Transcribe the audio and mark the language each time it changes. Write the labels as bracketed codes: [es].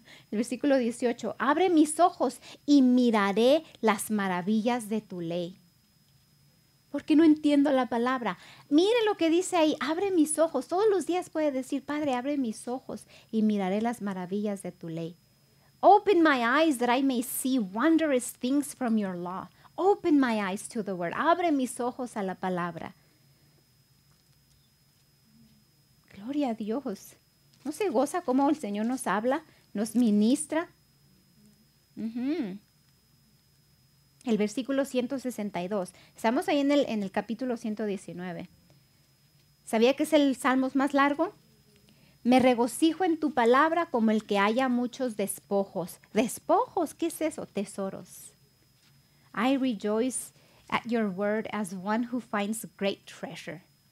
[es] El versículo 18. Abre mis ojos y miraré las maravillas de tu ley. Porque no entiendo la palabra. Mire lo que dice ahí. Abre mis ojos. Todos los días puede decir, Padre, abre mis ojos y miraré las maravillas de tu ley. [en] Open my eyes that I may see wondrous things from your law. Open my eyes to the word. [es] Abre mis ojos a la palabra. Gloria a Dios. ¿No se goza cómo el Señor nos habla? ¿Nos ministra? Uh-huh. El versículo 162. Estamos ahí en el capítulo 119. ¿Sabía que es el salmo más largo? Me regocijo en tu palabra como el que haya muchos despojos. ¿Despojos? ¿Qué es eso? Tesoros. [en] I rejoice at your word as one who finds great treasure.